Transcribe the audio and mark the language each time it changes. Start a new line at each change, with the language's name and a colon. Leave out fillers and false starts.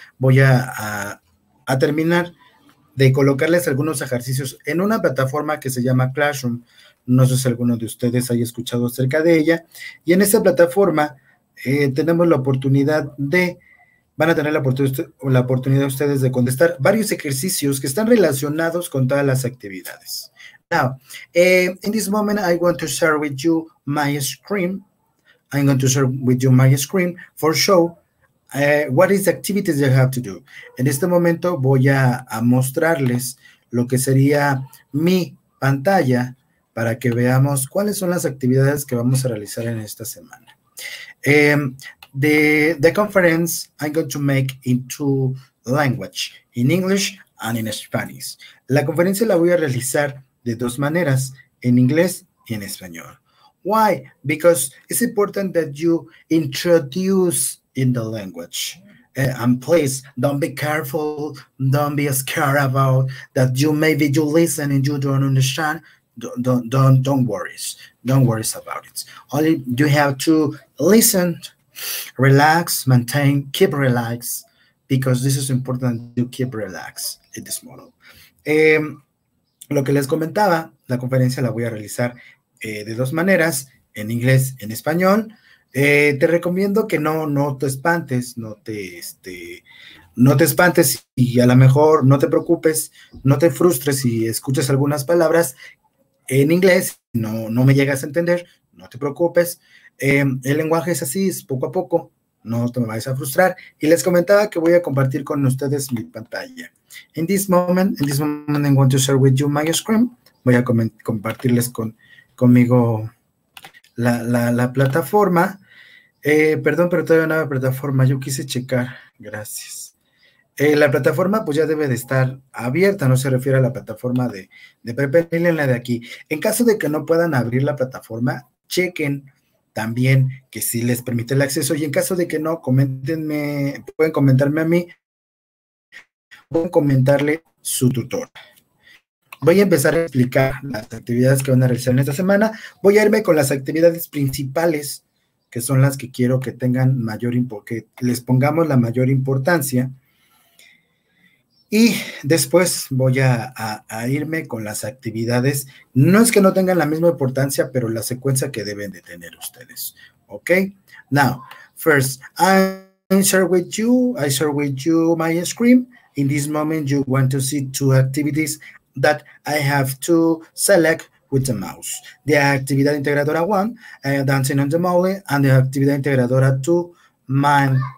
Spanish: Voy a terminar de colocarles algunos ejercicios en una plataforma que se llama Classroom. No sé si alguno de ustedes haya escuchado acerca de ella. Y en esta plataforma tenemos la oportunidad de van a tener la oportunidad ustedes de contestar varios ejercicios que están relacionados con todas las actividades.
English: Now, in this moment, I want to share with you my screen. I'm going to share with you my screen for show what is the activities you have to do.
Spanish: En este momento voy a mostrarles lo que sería mi pantalla para que veamos cuáles son las actividades que vamos a realizar en esta semana.
English: The conference I'm going to make in two languages, in English and in Spanish.
Spanish: La conferencia la voy a realizar de dos maneras, en inglés y en español.
English: Why? Because it's important that you introduce in the language. And please, don't be careful, don't be scared about that maybe you listen and you don't understand. Don't worry about it. Only you have to listen, relax, maintain, keep relaxed, because this is important to keep relaxed in this model.
Spanish: Lo que les comentaba, la conferencia la voy a realizar de dos maneras, en inglés, en español. Te recomiendo que no te espantes y a lo mejor no te preocupes, no te frustres si escuchas algunas palabras en inglés, no me llegas a entender, no te preocupes. El lenguaje es así, es poco a poco, no te me vayas a frustrar. Y les comentaba que voy a compartir con ustedes mi pantalla. In this moment, I want to share with you my screen. Voy a compartirles conmigo la plataforma. Perdón, pero todavía no hay plataforma, yo quise checar, gracias. La plataforma pues ya debe de estar abierta, no se refiere a la plataforma de Pepe Linea, la de aquí. En caso de que no puedan abrir la plataforma, chequen también que si les permite el acceso, y en caso de que no, coméntenme, pueden comentarme a mí, pueden comentarle su tutor. Voy a empezar a explicar las actividades que van a realizar en esta semana. Voy a irme con las actividades principales, que son las que quiero que tengan mayor que les pongamos la mayor importancia. Y después voy a irme con las actividades. No es que no tengan la misma importancia, pero la secuencia que deben de tener ustedes. ¿Ok?
English: Now, first, I share with you my screen. In this moment, you want to see two activities that I have to select with the mouse. The actividad integradora one, dancing on the mole, and the actividad integradora two, mind